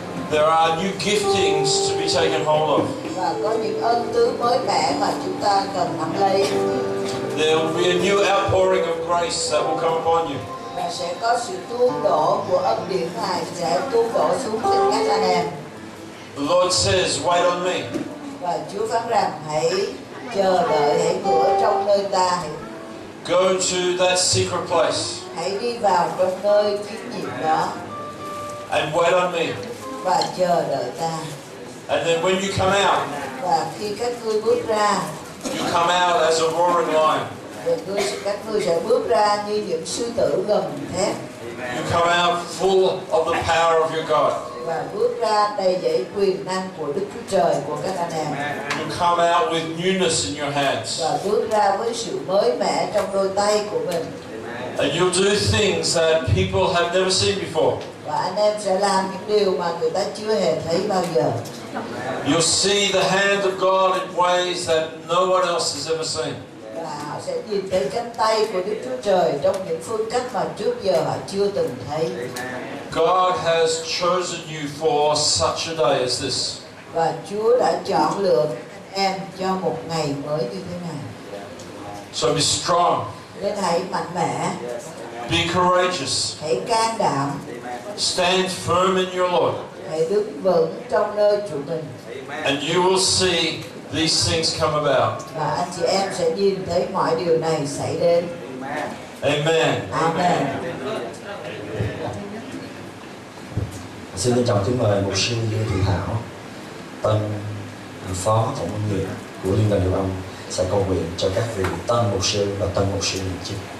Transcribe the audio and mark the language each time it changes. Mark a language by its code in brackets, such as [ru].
[en] There are new giftings to be taken hold of. [vi] Và có những ân tứ mới mẻ mà chúng ta cần nắm lấy. [en] There will be a new outpouring of grace that will come upon you. [vi] Và sẽ có sự tuôn đổ của ân điển này sẽ tuôn đổ xuống trên các anh em. [en] The Lord says, "Wait on me." [vi] Và Chúa phán rằng, hãy chờ đợi, hãy ngựa trong nơi ta. [en] Go to that secret place. [vi] Hãy đi vào trong nơi kín nhiệm đó. [en] And wait on me. [vi] Và chờ đợi ta. [en] And then when you come out, [vi] và khi các ngươi bước ra, [en] you come out as a roaring lion. [vi] Các ngươi sẽ bước ra như những sư tử gầm thét. [en] You come out full of the power of your God. [vi] và bước ra đầy dẫy quyền năng của Đức Chúa Trời của các anh em. [en] You come out with newness in your hands. [vi] Và bước ra với sự mới mẻ trong đôi tay của mình. [en] And you'll do things that people have never seen before. [vi] Và anh em sẽ làm những điều mà người ta chưa hề thấy bao giờ. [en] You'll see the hand of God in ways that no one else has ever seen. [vi] Họ sẽ nhìn thấy cánh tay của Đức Chúa Trời trong những phương cách mà trước giờ họ chưa từng thấy. [en] God has chosen you for such a day as this. [vi] Và Chúa đã chọn lựa em cho một ngày mới như thế này. [en] So be strong. [vi] Nên hãy mạnh mẽ. [en] Be courageous. [vi] Hãy can đảm. [en] Stand firm in your Lord. [vi] Hãy đứng vững trong nơi Chúa mình. [en] And you will see these things come about. [vi] Và anh chị em sẽ nhìn thấy mọi điều này xảy đến. [en] Amen. Amen. Amen. [vi] Xin trân trọng kính mời mục sư Dương Thị Thảo, tân phó tổng huấn luyện của Liên đoàn Điều Âm sẽ cầu nguyện cho các vị tân mục sư và tân mục sư nhận chức.